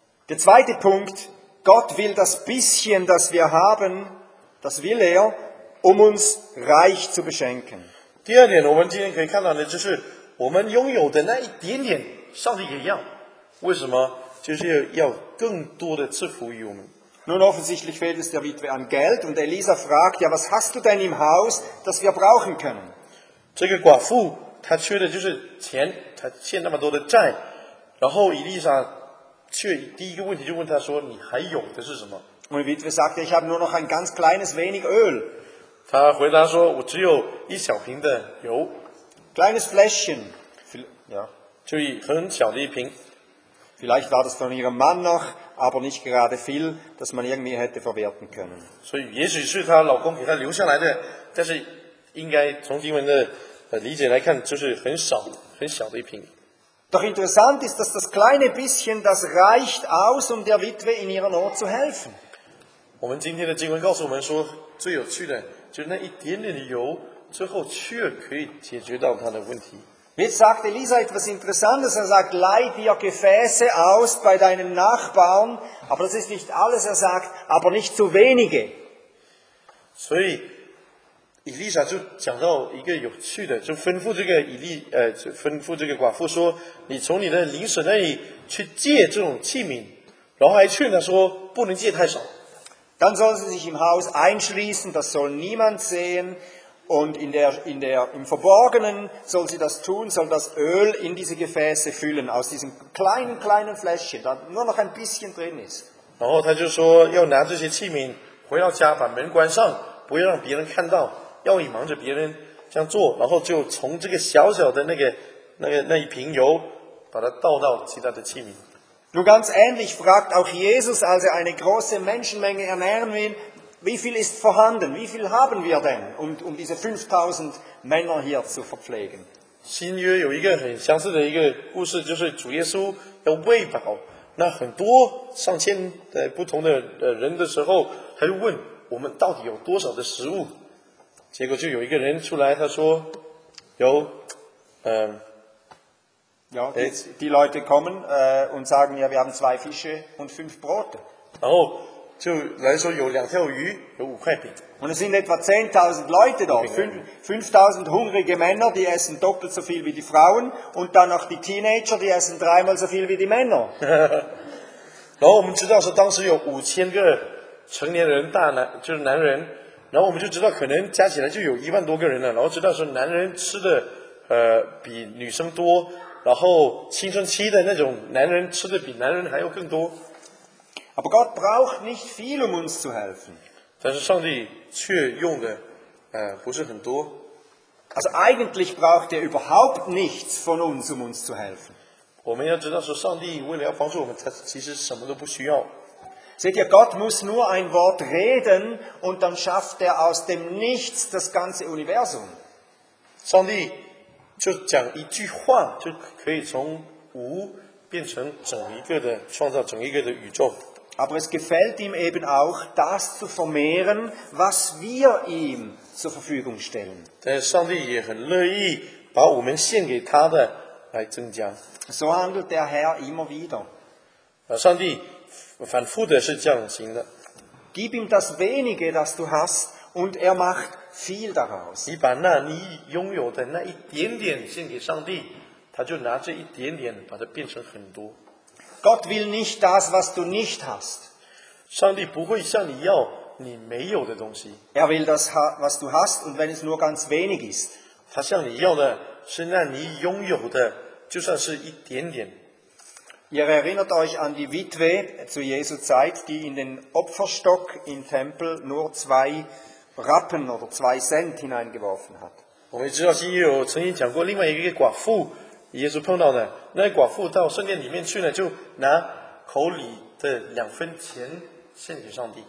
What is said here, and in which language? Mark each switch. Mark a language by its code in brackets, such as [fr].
[de] Der zweite Punkt: Gott will das bisschen, das wir haben, das will er, um uns reich zu beschenken. [zh] 第二点，我们今天可以看到的就是，我们拥有的那一点点，上帝也要。为什么？就是要更多的赐福于我们。 [de] Nun offensichtlich fehlt es der Witwe an Geld, und Elisa fragt: Ja, was hast du denn im Haus, das wir brauchen können? [zh] 这个寡妇。他缺的就是钱，他欠那么多的债，然后伊丽莎却第一个问题就问他说：“你还有的是什么？” [de] Und Witwe sagte, ich habe nur noch ein ganz kleines wenig Öl. [zh] 他回答说：“我只有一小瓶的油。 [de] ”Kleines Fläschchen, [zh] ja, 就很小的一瓶。 [de] Vielleicht war das von ihrem Mann noch, aber nicht gerade viel, dass man irgendwie hätte verwerten können. [zh] 所以也许是她老公给她留下来的，但是应该从经文的。理解来看，就是很少，很小的一瓶。 [de] Doch interessant ist, dass das kleine bisschen, das reicht aus, um der Witwe in ihrer Not zu helfen. [zh] 我们今天的经文告诉我们说，最有趣的就是那一点点的油，最后却可以解决到她的问题。 [de] Jetzt sagt Elisa etwas Interessantes. Er sagt, leih dir Gefäße aus bei deinem Nachbarn. Aber das ist nicht alles. Er sagt, aber nicht zu wenige. [zh] 所以。以利沙就讲到一个有趣的，就吩咐这个以利，吩咐这个寡妇说：“你从你的邻舍那里去借这种器皿。” 然后还劝他说：“不能借太少。 [de] ”Dann sollen sie sich im Haus einschließen, das soll niemand sehen, und im Verborgenen soll sie das tun, soll das Öl in diese Gefäße füllen aus diesem kleinen Fläschchen, da nur noch ein bisschen drin ist. [zh] 然后他就说要拿这些器皿回到家，把门关上。不要让别人看到，要隐瞒着别人这样做，然后就从这个小小的那一瓶油，把它倒到其他的器皿。 [de] Nun ganz ähnlich fragt auch Jesus, als er eine große Menschenmenge ernähren will, wie viel ist vorhanden, wie viel haben wir denn, um diese 5000 Männer hier zu verpflegen? [zh] 新约有一个很相似的一个故事，就是主耶稣要喂饱那很多上千的不同的人的时候，他就问。我们到底有多少的食物。结果就有一个人出来，他说有 [de] Ja, die Leute kommen und sagen, ja, wir haben zwei Fische und fünf Brote. [zh] 然后就来说有两条鱼，有五块饼。 [de] Und es sind etwa 10.000 Leute da, 5.000 hungrige Männer, die essen doppelt so viel wie die Frauen, und dann noch die Teenager, die essen dreimal so viel wie die Männer. [zh] 然后我们知道是当时有5000个成年人，大男就是男人，然后我们就知道可能加起来就有10000多个人了，然后知道是男人吃的比女生多。然后青春期的那种男人吃的比男人还要更多。 [de] Aber Gott braucht nicht viel, um uns zu helfen. [zh] 但是上帝却用的不是很多。 [de] Also eigentlich braucht er überhaupt nichts von uns, um uns zu helfen. [zh] 我们要知道说上帝为了要帮助我们他其实什么都不需要。 [de] Seht ihr, Gott muss nur ein Wort reden und dann schafft er aus dem Nichts das ganze Universum. [zh] 上帝就讲一句话就可以从无变成整一个的创造整一个的宇宙。 [de] Aber es gefällt ihm eben auch, das zu vermehren, was wir ihm zur Verfügung stellen. [zh] 但上帝也很乐意把我们献给他的来增加。 [de] So handelt der Herr immer wieder. [zh] 上帝反复的是这样行的。 [de] Gib ihm das wenige, das du hast, und er macht viel daraus. [zh] 你把那你拥有的那一点点献给上帝，他就拿这一点点把它变成很多。 [de] Gott will nicht das, was du nicht hast. [zh] 上帝不会向你要你没有的东西。 [de] Er will das, was du hast, und wenn es nur ganz wenig ist. [zh] 他向你要的是那你拥有的，就算是一点点。 [de] Ihr erinnert euch an die Witwe zu Jesu Zeit, die in den Opferstock im Tempel nur 2 Rappen oder 2 Cent hineingeworfen hat. [zh] 我们知道新约有曾经讲过另外一个寡妇，耶稣碰到的那寡妇到圣殿里面去呢，就拿口里的两分钱献给上帝。